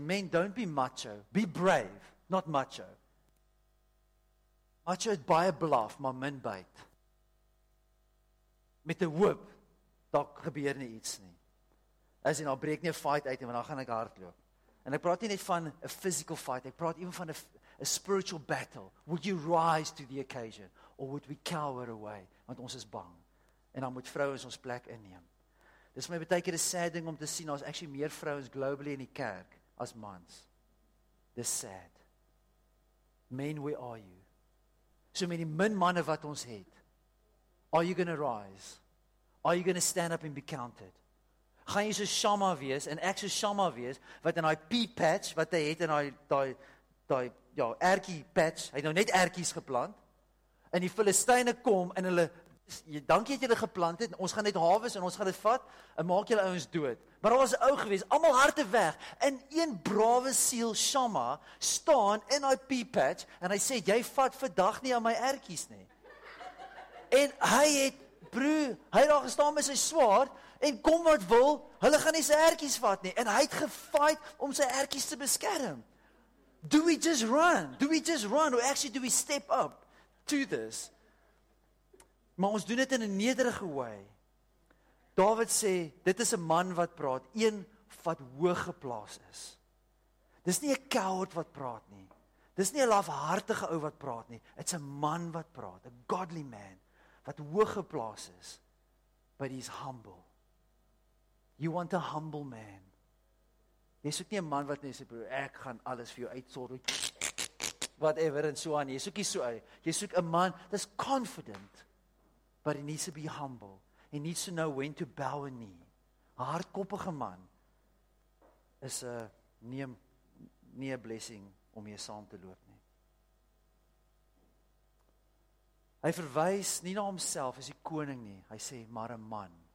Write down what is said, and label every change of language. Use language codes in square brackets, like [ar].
[en] Men, don't be macho. Be brave, not macho. [af] Macho het baie blaf, maar min byt. Met 'n hoop. Daar gebeur nie iets nie. As in, daar breek nie 'n fight uit, en dan gaan ek hardloop. En ek praat nie net van 'n physical fight, ek praat even van 'n spiritual battle. [en] Would you rise to the occasion? Or would we cower away? [af] Want ons is bang. En dan moet vrouens ons plek inneem. Dit is my baie keer 'n sad ding om te sien, daar is actually meer vrouens globally in die kerk, as mans. Dis sad. [en] Men, where are you? [af] So met die min manne wat ons het, [en] are you going to rise? Are you going to stand up and be counted? [af] Gaan jy so Shama wees, en ek so Shama wees, wat in hy [en] pea patch, [af] wat hy het in hy, ja, erkie patch, hy het nou net erkies geplant, en die Filistyne kom, en hulle, dankie dat jy hulle geplant het, ons gaan net hawes, en ons gaan dit vat, en maak julle ouens dood. Maar al was ou gewees, allemaal harte weg, en een brave siel Shama, staan in hy pea patch, en hy sê, jy vat vandag nie aan my erkies nie. En hy het, broer, hy het al gestaan met sy swaard, en kom wat wil, hulle gaan nie sy erkies vat nie, en hy het gefight om sy erkies te beskerm. [en] Do we just run? Do we just run? Or actually do we step up to this? [af] Maar ons doen dit in 'n nederige way. David sê, dit is 'n man wat praat, een wat hoog geplaas is. Dis nie 'n coward wat praat nie. Dis nie 'n lafhartige ou wat praat nie. [en] It's a man [af] wat praat, [en] a godly man. [af] Wat hoog geplaas is, [en] but he's humble. You want a humble man. [af] Jy soek nie 'n man wat net sê, broer, ek gaan alles vir jou uitsort, whatever en so aan, jy soek nie so uit. Jy soek 'n man [en] that's confident, but he needs to be humble. He needs to know when to bow a knee. [af] 'N hardkoppige man is 'n nie 'n blessing om mee saam te loop. Hy verwys nie na homself as die koning nie, hy sê, maar 'n man.